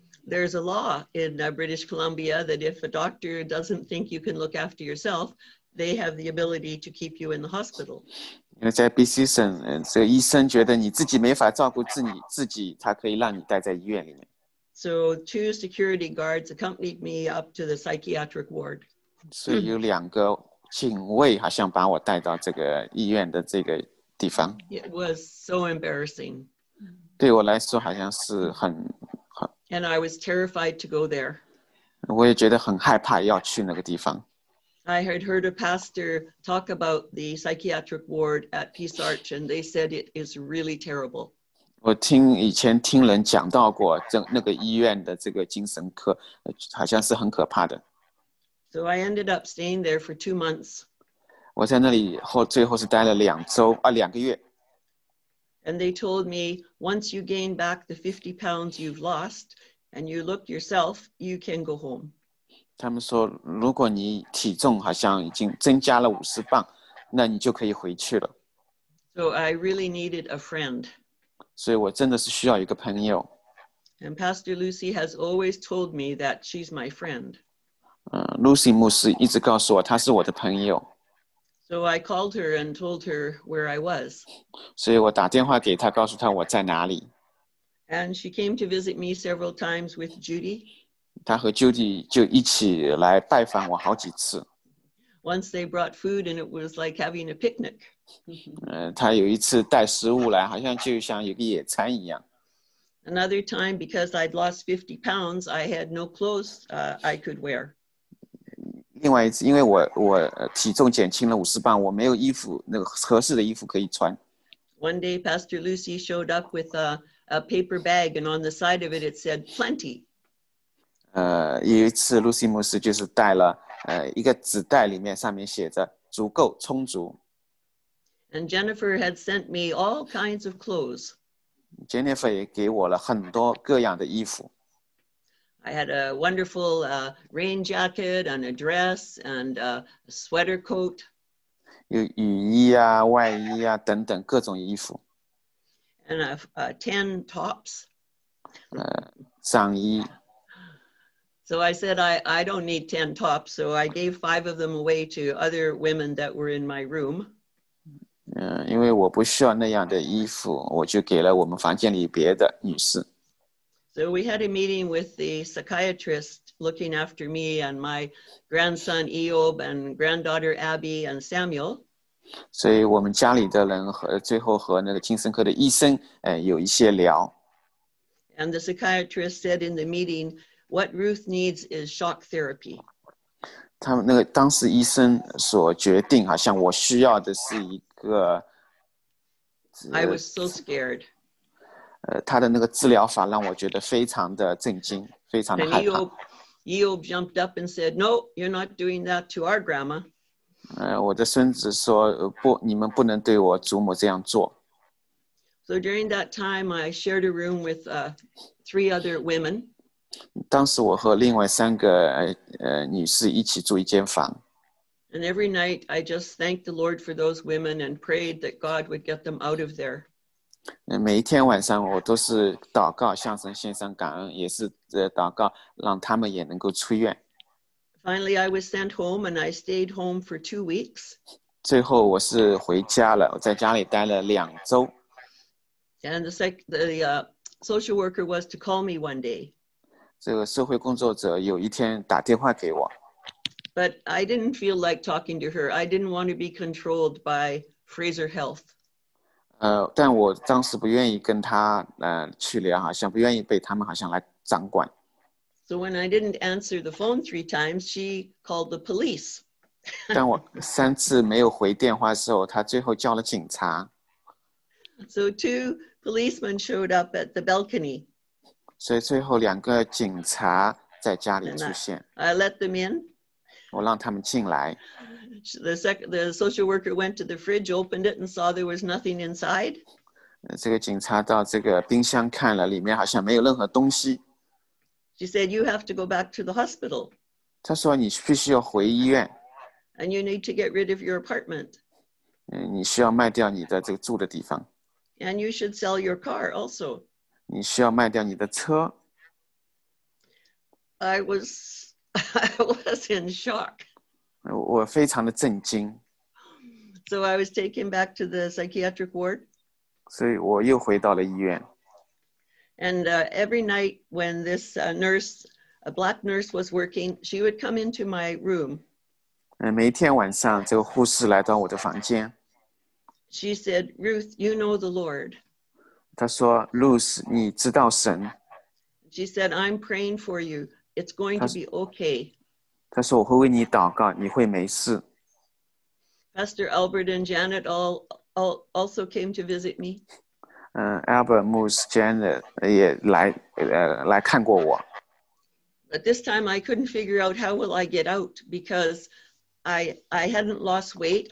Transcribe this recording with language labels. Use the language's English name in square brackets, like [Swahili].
[English] there's a law in British Columbia that if a doctor doesn't think you can look after yourself, they have the ability to keep you in the hospital. [Chinese] 因为在 BC 省，这个医生觉得你自己没法照顾自己，自己他可以让你待在医院里面。 [English] So two security guards accompanied me up to the psychiatric ward. [Chinese] 所以有两个警卫好像把我带到这个医院的这个地方。 [English] It was so embarrassing. [Chinese] 对我来说好像是很很。 [English] And I was terrified to go there. [Chinese] 我也觉得很害怕要去那个地方。 [English] I had heard a pastor talk about the psychiatric ward at Peace Arch, and they said it is really terrible. [Chinese] 我听以前听人讲到过这那个医院的这个精神科，好像是很可怕的。 [English] So I ended up staying there for 2 months. [Chinese] 我在那里后最后是待了两周啊两个月。 [English] And they told me once you gain back the 50 pounds you've lost, and you look yourself, you can go home. [Chinese] 他们说，如果你体重好像已经增加了50磅，那你就可以回去了。 [English] So I really needed a friend. [Chinese] 所以我真的是需要一个朋友。 [English] And Pastor Lucy has always told me that she's my friend. [Chinese] Lucy 牧师一直告诉我她是我的朋友。 [English] So I called her and told her where I was. [Chinese] 所以我打电话给她，告诉她我在哪里。 [English] And she came to visit me several times with Judy. [Chinese] 她和 Judy 就一起来拜访我好几次。 [English] Once they brought food and it was like having a picnic. [Chinese] 她有一次带食物来，好像就像有个野餐一样。 [English] Another time, because I'd lost 50 pounds, I had no clothes I could wear. [Chinese] 另外一次，因为我体重减轻了50磅，我没有衣服，那个合适的衣服可以穿。 [English] One day, Pastor Lucy showed up with a paper bag, and on the side of it, it said plenty. [Chinese] 有一次 ，Lucy 牧师就是带了一个纸袋，里面上面写着足够、充足。 [English] And Jennifer had sent me all kinds of clothes. [Chinese] Jennifer 也给我了很多各样的衣服。 [English] I had a wonderful rain jacket and a dress and a sweater coat. [Chinese] 有雨衣啊，外衣啊，等等各种衣服。 [English] And a tan tops. [Chinese] 上衣。 [English] So I said, I don't need tan tops, so I gave 5 of them away to other women that were in my room. [Chinese] 因为我不需要那样的衣服，我就给了我们房间里别的女士。 [English] So we had a meeting with the psychiatrist looking after me and my grandson Eob and granddaughter Abby and Samuel. [Chinese] 所以我们家里的人和最后和那个精神科的医生，有一些聊。 [English] And the psychiatrist said in the meeting, "What Ruth needs is shock therapy." [Chinese] 他们那个当时医生所决定，好像我需要的是一。 [English] I was so scared. [Chinese] 他的那个治疗法让我觉得非常的震惊，非常的害怕。 [English] Eob jumped up and said, "No, you're not doing that to our grandma." [Chinese] 我的孙子说不，你们不能对我祖母这样做。 [English] So during that time, I shared a room with three other women. [Chinese] 当时我和另外三个女士一起住一间房。 [English] And every night, I just thanked the Lord for those women and prayed that God would get them out of there. [Chinese] 每一天晚上我都是祷告，向神献上感恩，也是祷告让他们也能够出院。 [English] Finally, I was sent home and I stayed home for 2 weeks. [Chinese] 最后我是回家了，我在家里待了两周。 [English] And the social worker was to call me one day. [Chinese] 这个社会工作者有一天打电话给我。 [English] But I didn't feel like talking to her. I didn't want to be controlled by Fraser Health. [Chinese] 但我当时不愿意跟他去聊，好像不愿意被他们好像来掌管。 [English] So when I didn't answer the phone 3 times, she called the police. [Chinese] 当我三次没有回电话的时候，她最后叫了警察。 [English] So 2 policemen showed up at the balcony. [Chinese] 所以最后两个警察在家里出现。 [English] I let them in. [Chinese] 我让他们进来。 [English] The social worker went to the fridge, opened it, and saw there was nothing inside. [Chinese] 这个警察到这个冰箱看了，里面好像没有任何东西。 [English] She said, "You have to go back to the hospital." [Chinese] 他说你必须要回医院。 [English] And you need to get rid of your apartment. [Chinese] 你需要卖掉你的这个住的地方。 [English] And you should sell your car also. [Chinese] 你需要卖掉你的车。 [English] I was in shock. [Chinese] 我非常的震惊。 [English] So I was taken back to the psychiatric ward. [Chinese] 所以我又回到了医院。 [English] And every night when this nurse, a black nurse was working, she would come into my room. [Chinese] 每天晚上这个护士来到我的房间。 [English] She said, Ruth, you know the Lord. [Chinese] 她说, Ruth, 你知道神。 [English] She said, I'm praying for you. It's going to be okay. [Chinese] 她说我会为你祷告, 你会没事。 [English] Pastor Albert and Janet all also came to visit me. [Chinese] Albert, Moose, Janet 也来看过我。 [English] But this time I couldn't figure out how will I get out because I hadn't lost weight.